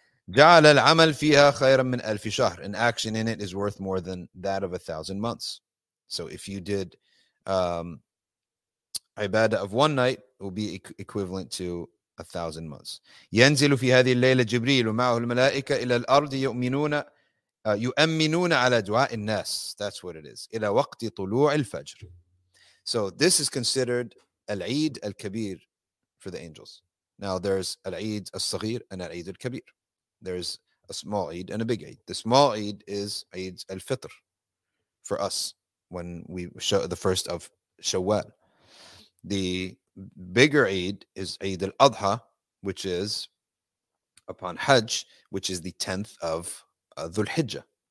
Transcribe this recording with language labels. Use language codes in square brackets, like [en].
[ar] جعل العمل فيها خيرا من ألف شهر. [en] An action in it is worth more than that of 1,000 months. So if you did ibadah of one night, will be equivalent to 1,000 months. [ar] ينزل في هذه الليلة جبريل ومعه الملائكة إلى الأرض يؤمنون على دعاء الناس. [en] That's what it is. [ar] إلى وقت طلوع الفجر. [en] So this is considered العيد الكبير for the angels. Now there's العيد الصغير and العيد الكبير. There's a small Eid and a big Eid. The small Eid is Eid al-Fitr for us when we show the first of Shawwal. The bigger Eid is Eid al-Adha, which is upon Hajj, which is the 10th of Dhul-Hijjah.